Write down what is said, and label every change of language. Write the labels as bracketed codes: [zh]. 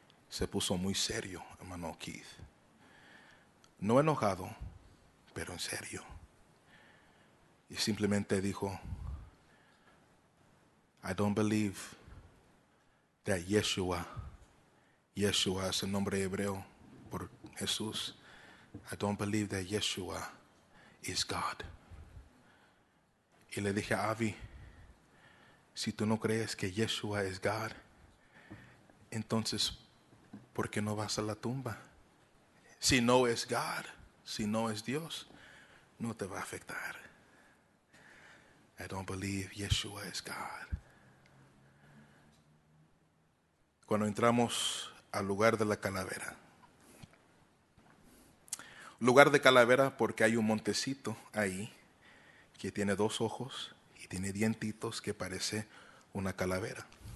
[es] Se puso muy serio, hermano Keith. No enojado, pero en serio. Y simplemente dijo: [en] I don't believe that [es] Yeshua es el nombre hebreo por Jesús. [en] I don't believe that Yeshua is God. [es] Y le dije: Avi, si tú no crees que Yeshua es God, entonces, ¿por qué no vas a la tumba? Si no es God, si no es Dios, no te va a afectar. [en] I don't believe Yeshua is God. [es] Cuando entramos al lugar de la calavera, lugar de calavera porque hay un montecito ahí que tiene dos ojos y tiene dientitos que parece una calavera.